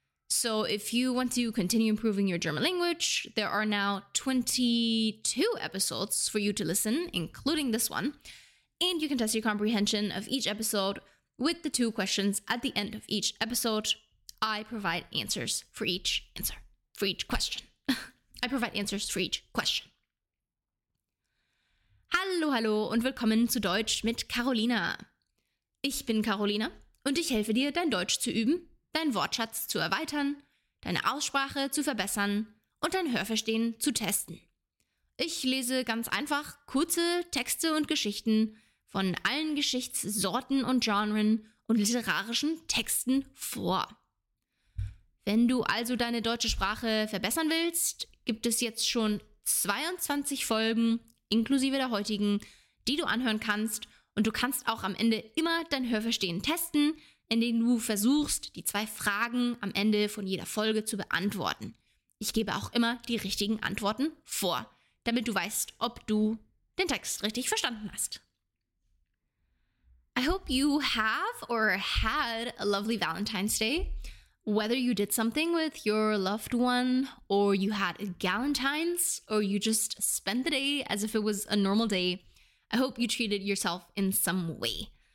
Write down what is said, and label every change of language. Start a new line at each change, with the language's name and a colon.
English: So if you want to continue improving your German language, there are now 22 episodes for you to listen, including this one, and you can test your comprehension of each episode with the two questions at the end of each episode. I provide answers for each answer, for each question. I provide answers for each question.
German: Hallo, hallo und willkommen zu Deutsch mit Carolina. Ich bin Carolina und ich helfe dir, dein Deutsch zu üben, deinen Wortschatz zu erweitern, deine Aussprache zu verbessern und dein Hörverstehen zu testen. Ich lese ganz einfach kurze Texte und Geschichten von allen Geschichtssorten und Genren und literarischen Texten vor. Wenn du also deine deutsche Sprache verbessern willst, gibt es jetzt schon 22 Folgen, inklusive der heutigen, die du anhören kannst, und du kannst auch am Ende immer dein Hörverstehen testen, in denen du versuchst, die zwei Fragen am Ende von jeder Folge zu beantworten. Ich gebe auch immer die richtigen Antworten vor, damit du weißt, ob du den Text richtig verstanden hast.
English: I hope you have or had a lovely Valentine's Day. Whether you did something with your loved one, or you had a Galentine's, or you just spent the day as if it was a normal day, I hope you treated yourself in some way.